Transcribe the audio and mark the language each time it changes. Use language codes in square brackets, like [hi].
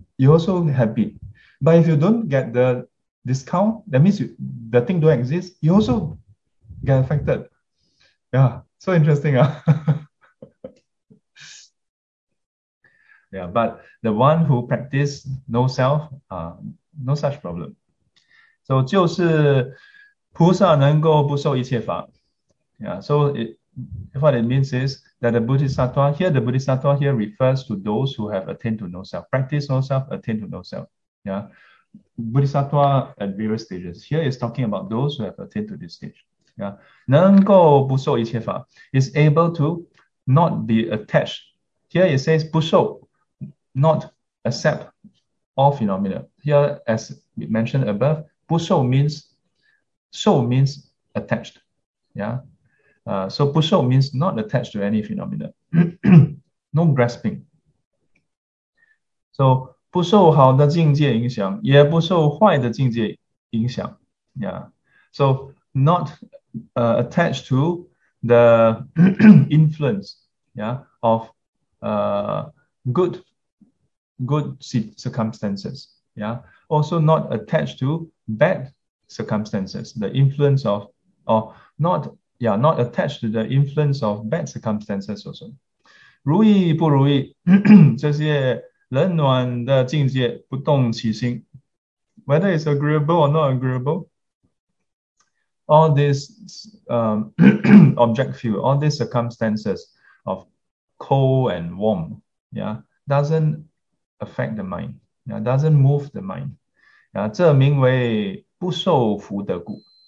[en] You're also happy. But if you don't get the discount, that means the thing don't exist, you also get affected. Yeah, so interesting. Yeah, but the one who practice no self, no such problem. [zh] So 就是菩萨能够不受一切法. [en] Yeah, so what it means is that the Bodhisattva here, the Bodhisattva here refers to those who have attained to no self, practice no self, attained to no self. Yeah, Bodhisattva at various stages. Here is talking about those who have attained to this stage. Yeah, [zh] 能够不受一切法 [en] is able to not be attached. Here it says 不受.Not accept all phenomena. Here, as mentioned above, 不受 means, 受 means attached. Yeah. So 不受 means not attached to any phenomena. No grasping. [zh] So 不受好的境界影响，也不受坏的境界影响。 [en] Yeah. So not attached to the influence. Yeah. Of good circumstances. Yeah. Also not attached to bad circumstances. The influence of or not. Yeah, not attached to the influence of bad circumstances also. [zh] 如意不如意，这些冷暖的境界不动其心. [en] Whether it's agreeable or not agreeable, all these object field, all these circumstances of cold and warm, yeah, doesn't affect the mind. Yeah, doesn't move the mind. Yeah, [zh] 这名为不受福德故.